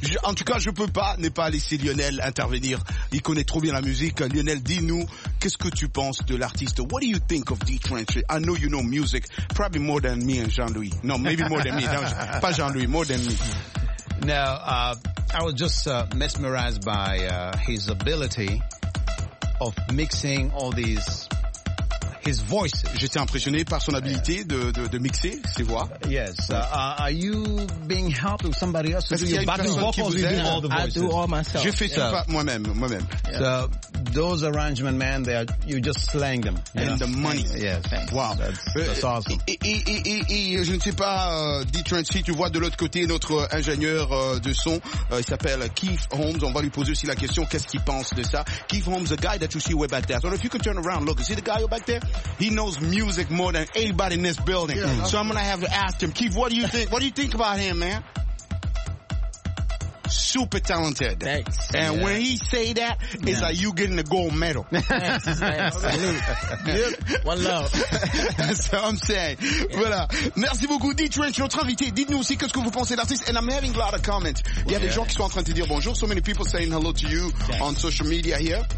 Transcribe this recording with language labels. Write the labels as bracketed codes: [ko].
[fr] En tout cas, je peux pas ne pas laisser Lionel intervenir. Il connaît trop bien la musique. Lionel, dis-nous, qu'est-ce que tu penses de l'artiste? [en] What do you think of Dave Trenton? I know you know music probably more than me and Jean-Louis. No, maybe more than me. [fr] Non, pas Jean-Louis, [en] more than me. Now, I was just mesmerized by his ability of mixing all these. His voice. [fr] J'étais impressionné par son habilité de mixer ses voix. [en] Yes. Are you being helped with somebody else to do your backing vocals? I do all myself. [fr] Je fais ça moi-même. [en] Yeah. So those arrangements, man, they are, you just slang them. And the money. Yes. Wow. That's awesome. [fr] Et je ne sais pas, Detroit, si tu vois de l'autre côté notre ingénieur de son, il s'appelle Keith Holmes. On va lui poser aussi la question, qu'est-ce qu'il pense de ça? [en] Keith Holmes, the guy that you see way back there. So if you could turn around, look, see the guy back there? He knows music more than anybody in this building. Yeah, so I'm gonna have to ask him, Keith, what do you think? What do you think about him, man? Super talented. Thanks. And when he say that, it's like you getting a gold medal. One love. That's what I'm saying. [fr] Voilà. Merci beaucoup, D-Trench, notre invité. Dites-nous aussi qu'est-ce que vous pensez d'artiste. [en] And I'm having a lot of comments. [fr] Il y a des gens qui sont en train de dire bonjour. [en] So many people saying hello to you on social media here.